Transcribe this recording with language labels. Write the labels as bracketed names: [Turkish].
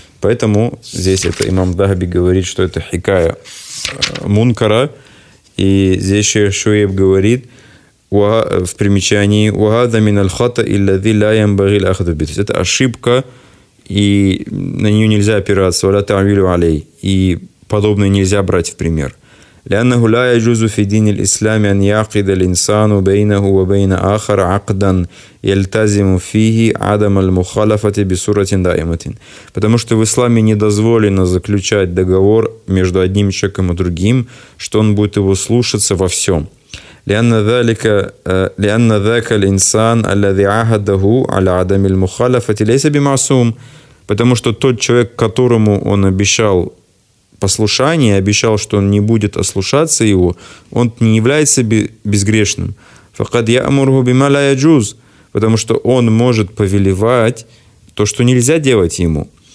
[Russian] Поэтому здесь это имам Захаби говорит, что это хикая мункара. И здесь Шуэйб говорит в примечании: [Arabic] «Ухаза мин аль-хата иллази ля ямбаги ль-ахду би». [Russian] То есть это ошибка, и на нее нельзя опираться. [Arabic] «Ва ля та'вилю алей». [Russian] И подобное нельзя брать в пример. [Arabic] لأنه لا يجوز في دين الإسلام أن يعقد الإنسان بينه وبين آخر عقدا يلتزم فيه عدم المخالفة بصورة دائمة. [Russian] Потому что в исламе не дозволено заключать договор между одним человеком и другим, что он будет его слушаться во всем. [Arabic] لأن ذاك الإنسان الذي عهده على عدم المخالفة ليس بمعصوم. [Russian] Потому что тот человек, которому он обещал послушание, обещал, что он не будет ослушаться его, он не является безгрешным. [Arabic] فَقَدْ يَأْمُرْهُ بِمَا لَا يَجُوز. [Russian] Потому что он может повелевать то, что нельзя делать ему.